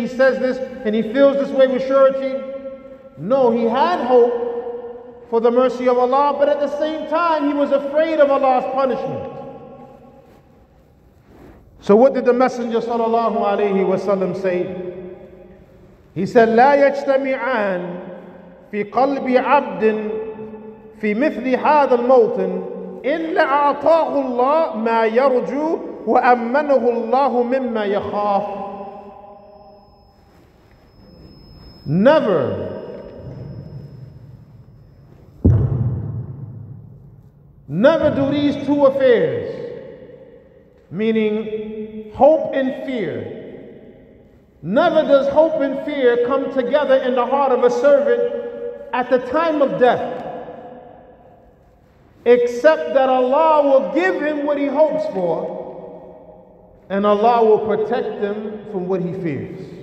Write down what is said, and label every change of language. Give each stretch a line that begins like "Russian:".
English: He says this and he feels this way with surety. No, he had hope for the mercy of Allah, but at the same time, he was afraid of Allah's punishment. So what did the Messenger sallallahu alayhi wa sallam say? He said,
Arabic: لا يجتمعان في قلب عبد في مثل هذا الموطن إلا أعطاه الله ما يرجو وأمنه الله مما يخاف.
English: Never do these two affairs, meaning hope and fear. Never does hope and fear come together in the heart of a servant at the time of death, except that Allah will give him what he hopes for, and Allah will protect him from what he fears.